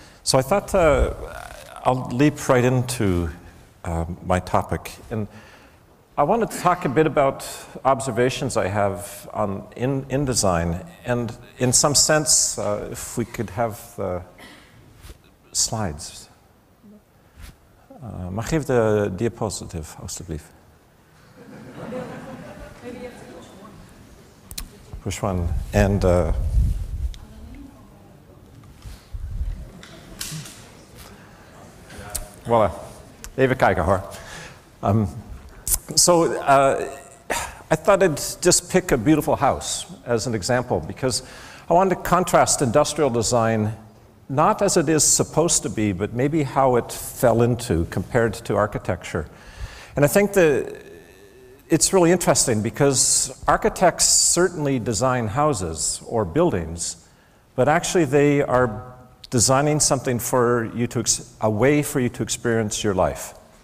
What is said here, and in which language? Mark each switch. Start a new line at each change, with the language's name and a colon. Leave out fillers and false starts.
English: So I thought I'll leap right into my topic. And I wanted to talk a bit about observations I have on in design. And in some sense, if we could have the slides.
Dutch: Mag ik de diapositive, alstublieft?
English: Which one? And voila,
Dutch: even kijken hoor.
English: So I thought I'd just pick a beautiful house as an example, because I wanted to contrast industrial design not as it is supposed to be, but maybe how it fell into compared to architecture. And I think it's really interesting because architects certainly design houses or buildings, but actually they are designing something for you to, a way for you to experience your life.